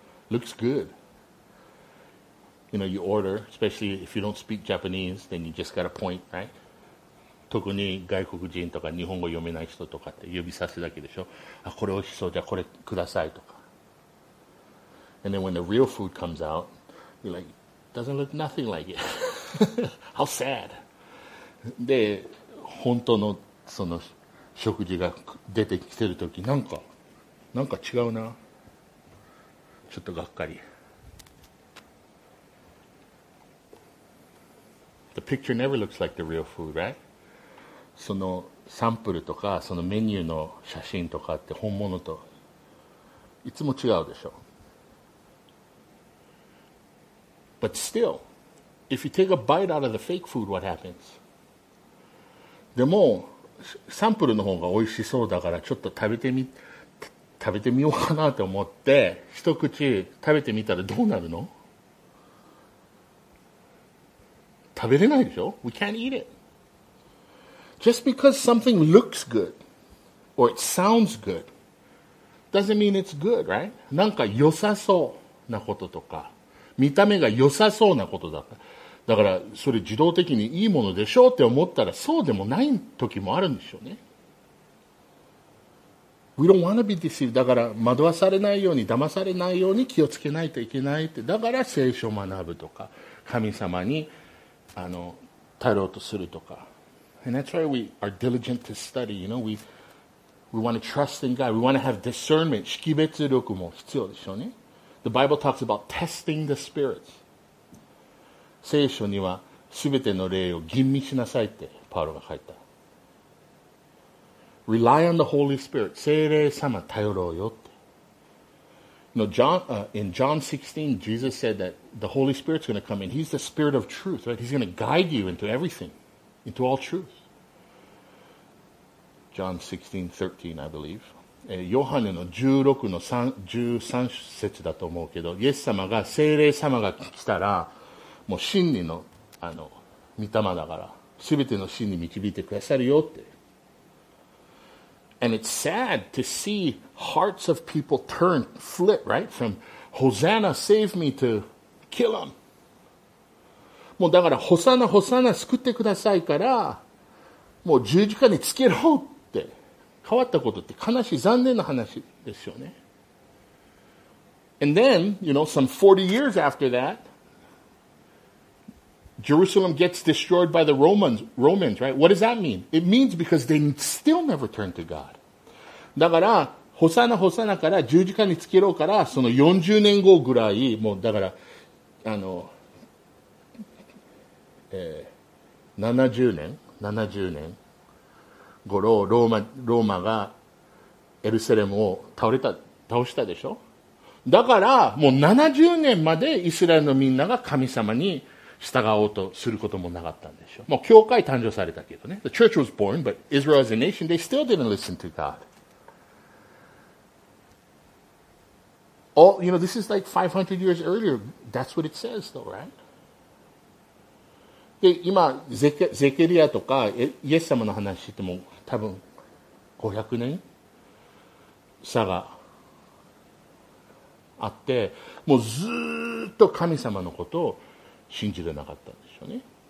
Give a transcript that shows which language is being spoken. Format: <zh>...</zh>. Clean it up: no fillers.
<en>Looks good. You know, you order, especially if you don't speak Japanese, then you just got a point, right?</en> <ja>特に外国人とか日本語読めない人とかって指さすだけでしょ。あ、これ美味しそう、じゃあこれくださいとか。</ja> <en>And then when the real food comes out, you're like, doesn't look nothing like it. How sad.</en> <ja>で、本当のその食事が出てきてるとき、なんか違うな、ちょっとがっかり。</ja> <en>The picture never looks like the real food, right?</en> <ja>そのサンプルとかそのメニューの写真とかって本物といつも違うでしょ。</ja> <en>But still, if you take a bite out of the fake food, what happens?</en> <ja>でもサンプルの方が美味しそうだからちょっと食べてみようかなと思って一口食べてみたらどうなるの？食べれないでしょ。</ja> <en>We can't eat it. Just because something looks good or it sounds good doesn't mean it's good, right?</en> <ja>なんか良さそうなこととか見た目が良さそうなことだから、だからそれ自動的にいいものでしょうって思ったらそうでもない時もあるんでしょうね。</ja> <en>We don't want to be deceived.</en> <ja>だから惑わされないように、騙されないように気をつけないといけないって。だから聖書を学ぶとか、神様に頼ろうとするとか。</ja> <en>And that's why we are diligent to study. You know, we want to trust in God. We want to have discernment.</en> <ja>識別力も必要でしょうね。</ja> <en>The Bible talks about testing the spirits.</en> <ja>聖書にはすべての霊を吟味しなさいってパウロが書いた。</ja> <en>Rely on the Holy Spirit.</en> <ja>聖霊様頼ろうよって。</ja> <en>No, John, in John 16, Jesus said that the Holy Spirit's going to come in. He's the Spirit of truth, right? He's going to guide you into everything, into all truth. John 16:13, I believe.</en> <ja>ヨハネの16の13節だと思うけど、イエス様が、聖霊様が来たら、もう真理の御霊だから全ての真理導いてくださるよって。</ja> <en>And it's sad to see hearts of people turn, flip, right? From Hosanna, save me, to kill him.</en> <ja>もうだから Hosanna, Hosanna, 救ってくださいからもう十字架につけろって変わったことって悲しい、残念な話ですよね。</ja> <en>And then, you know, some 40 years after thatJerusalem gets destroyed by the Romans, right? What does that mean? It means because they still never turned to God.</en> <ja>だから、ホサナホサナから十字架につけろから、その40年後ぐらい、もうだから、70年頃、ローマがエルサレムを倒したでしょ？だから、もう70年までイスラエルのみんなが神様に従おうとすることもなかったんでしょう。もう教会誕生されたけどね。</ja> <en>The church was born, but Israel as a nation, they still didn't listen to God. All, you know, this is like 500 years earlier. That's what it says, though, right?</en> <ja>で、今、ゼケリアとかイエス様の話しても多分500年差があって、もうずっと神様のことを信じれなかったんでしょうね。</ja>